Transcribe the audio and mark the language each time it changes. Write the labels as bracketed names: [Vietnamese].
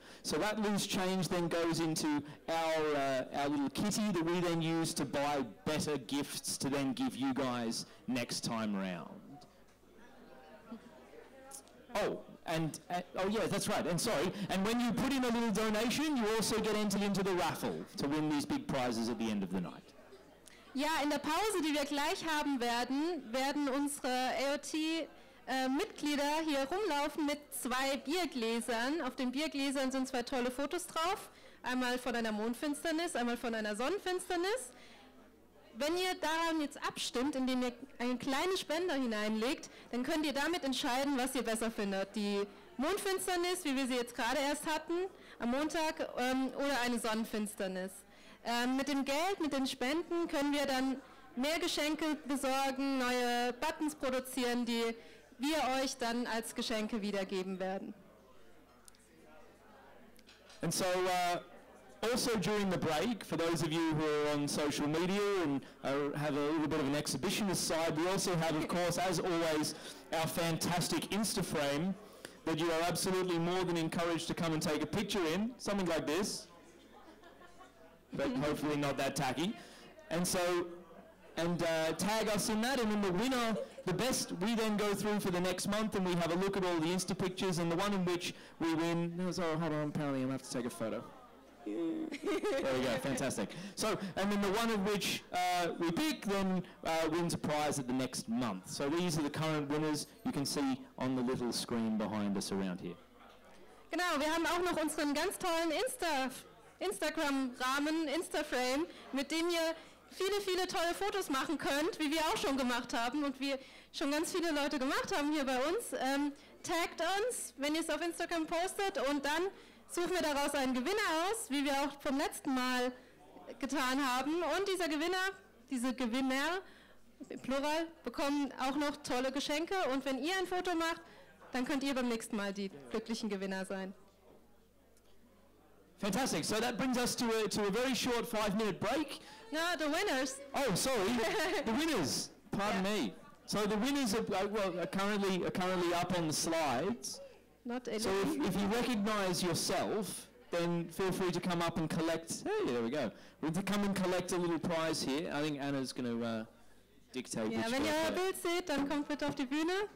[English] So that loose change then goes into our little kitty that we then use to buy better gifts to then give you guys next time round. And when you put in a little donation, you also get entered into the raffle to win these big prizes at the end of the night. [German] Ja, in der Pause, die wir gleich haben werden, werden unsere AOT-Mitglieder hier rumlaufen mit zwei Biergläsern. Auf den Biergläsern sind zwei tolle Fotos drauf. Einmal von einer Mondfinsternis, einmal von einer Sonnenfinsternis. Wenn ihr daran jetzt abstimmt, indem ihr einen kleinen Spender hineinlegt, dann könnt ihr damit entscheiden, was ihr besser findet. Die Mondfinsternis, wie wir sie jetzt gerade erst hatten, am Montag, oder eine Sonnenfinsternis. Mit dem Geld, mit den Spenden, können wir dann mehr Geschenke besorgen, neue Buttons produzieren, die wir euch dann als Geschenke wiedergeben werden. [English] And so, also during the break, for those of you who are on social media and have a little bit of an exhibitionist side, we also have, of course, as always, our fantastic InstaFrame that you are absolutely more than encouraged to come and take a picture in, something like this, but hopefully not that tacky. And so, tag us in that, and then the winner, the best, we then go through for the next month and we have a look at all the Insta pictures, and the one in which we win, apparently I'm going to have to take a photo. There we go, fantastic. So, and then the one of which we pick then wins a prize at the next month. So these are the current winners you can see on the little screen behind us around here. [German] Genau, wir haben auch noch unseren ganz tollen Instagram-Rahmen, Instaframe, mit dem ihr viele, viele tolle Fotos machen könnt, wie wir auch schon gemacht haben und wie schon ganz viele Leute gemacht haben hier bei uns. Taggt uns, wenn ihr es auf Instagram postet und dann suchen wir daraus einen Gewinner aus, wie wir auch vom letzten Mal getan haben. Und dieser Gewinner, diese Gewinner, im Plural, bekommen auch noch tolle Geschenke. Und wenn ihr ein Foto macht, dann könnt ihr beim nächsten Mal die glücklichen Gewinner sein. [English] Fantastic. So that brings us to a very short 5-minute break. No, the winners. Oh, sorry. The winners. Pardon me. So the winners are currently up on the slides. Not so if you recognize yourself, then feel free to come up and collect. Hey, there we go. We'll come and collect a little prize here. I think Anna's going to dictate yeah, which one. [German] Ja, wenn ihr euer Bild seht, dann kommt bitte auf die Bühne.